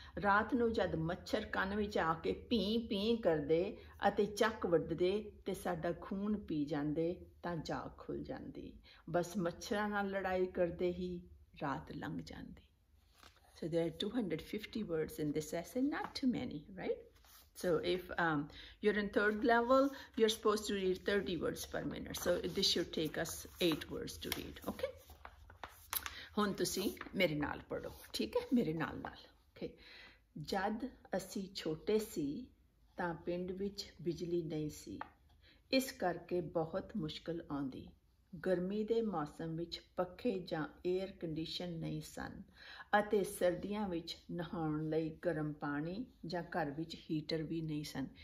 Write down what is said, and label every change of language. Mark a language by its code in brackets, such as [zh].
[pa] ਰਾਤ ਨੂੰ ਜਦ ਮੱਛਰ ਕੰਨ ਵਿੱਚ ਆ ਕੇ ਭੀਂ ਭੀਂ ਕਰਦੇ ਅਤੇ ਚੱਕ ਵੱਢਦੇ ਤੇ ਸਾਡਾ ਖੂਨ ਪੀ ਜਾਂਦੇ ਤਾਂ ਜਾਗ ਖੁੱਲ ਜਾਂਦੀ। ਬਸ ਮੱਛਰਾਂ ਨਾਲ ਲੜਾਈ ਕਰਦੇ ਹੀ ਰਾਤ ਲੰਘ ਜਾਂਦੀ। [en] So there are 250 words in this essay, not too many, right? So if you're in third level, you're supposed to read 30 words per minute. So this should take us 8 words to read, okay? [pa] ਹੁਣ ਤੁਸੀਂ ਮੇਰੇ ਨਾਲ ਪੜ੍ਹੋ, ਠੀਕ ਹੈ? ਮੇਰੇ ਨਾਲ ਨਾਲ, ਓਕੇ। ਜਦ ਅਸੀਂ ਛੋਟੇ ਸੀ ਤਾਂ ਪਿੰਡ ਵਿੱਚ ਬਿਜਲੀ ਨਹੀਂ ਸੀ, ਇਸ ਕਰਕੇ ਬਹੁਤ ਮੁਸ਼ਕਲ ਆਉਂਦੀ। ਗਰਮੀ ਦੇ ਮੌਸਮ ਵਿੱਚ ਪੱਖੇ ਜਾਂ ਏਅਰ ਕੰਡੀਸ਼ਨ ਨਹੀਂ ਸਨ ਅਤੇ ਸਰਦੀਆਂ ਵਿੱਚ ਨਹਾਉਣ ਲਈ ਗਰਮ ਪਾਣੀ ਜਾਂ ਘਰ ਵਿੱਚ ਹੀਟਰ ਵੀ ਨਹੀਂ ਸਨ।